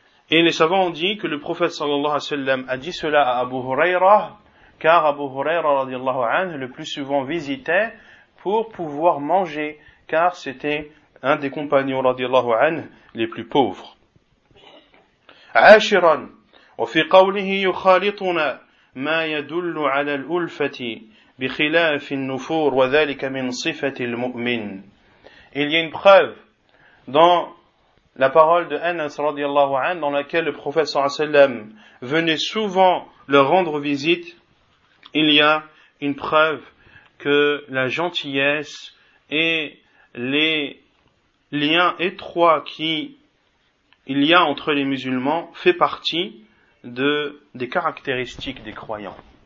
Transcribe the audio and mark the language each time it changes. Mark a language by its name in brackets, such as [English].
[French] Et les savants ont dit que le prophète sallallahu alayhi wa sallam a dit cela à Abu Huraira, car Abu Huraira radiallahu anhu le plus souvent visitait pour pouvoir manger, car c'était un des compagnons radiallahu anhu les plus pauvres. [Arabic] عاشرا وفي قوله يخالطنا ما يدل على الألفة بخلاف النفور وذلك من صفة المؤمن. [French] Il y a une preuve dans la parole de Anas radiallahu anhu dans laquelle le prophète sallallahu alayhi wa sallam venait souvent leur rendre visite. Il y a une preuve que la gentillesse et les liens étroits qu'il y a entre les musulmans fait partie des caractéristiques des croyants.